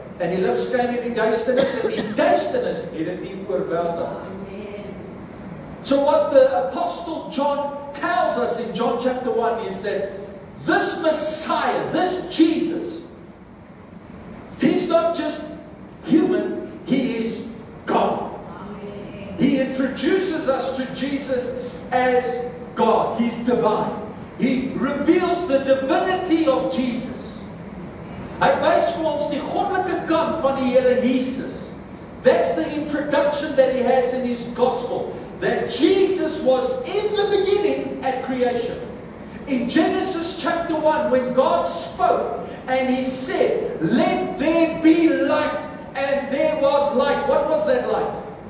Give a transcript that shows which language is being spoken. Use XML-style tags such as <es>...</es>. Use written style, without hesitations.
<af>En die lig skyn in die duisternis, en die duisternis het dit nie oorweldig.</af> <en>So what the Apostle John tells us in John chapter 1 is that this Messiah, this Jesus, He's not just human, He is God. Amen. He introduces us to Jesus as God. He's divine. He reveals the divinity of Jesus.</en> <af>Hy wys vir ons die goddelike kant van die Here Jesus.</af> <en>That's the introduction that He has in His gospel. That Jesus was in the beginning at creation. In Genesis chapter 1, when God spoke and He said, let there be light, and there was light. What was that light?</en>